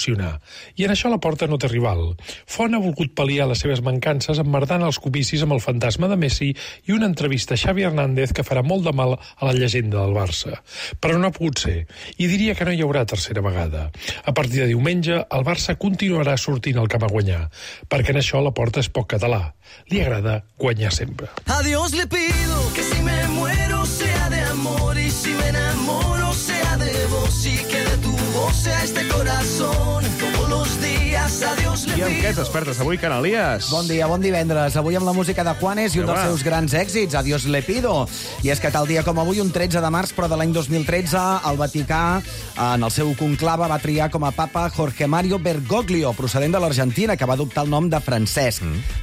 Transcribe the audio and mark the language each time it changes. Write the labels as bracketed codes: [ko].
[ca] I en això la Porta no té rival. Font ha volgut pal·liar les seves mancances emmerdant els comicis amb el fantasma de Messi i una entrevista a Xavi Hernández que farà molt de mal a la llegenda del Barça. Però no ha pogut ser, i diria que no hi haurà tercera vegada. A partir de diumenge, el Barça continuarà sortint el camp a guanyar, perquè en això la Porta és poc català. Li agrada guanyar sempre. [es] A Dios le pido que si me muero sea de amor y si me enamoro sea de vos y que de tu voz sea este corazón. [ca] I amb què t'espertes avui, Canalies? Bon dia, bon divendres. Avui amb la música de Juanes i un dels seus grans èxits, Adiós le pido. I és que tal dia com avui, un 13 de març, però de l'any 2013, el Vaticà, en el seu conclave, va triar com a papa Jorge Mario Bergoglio, procedent de l'Argentina, que va adoptar el nom de Francesc. Mm.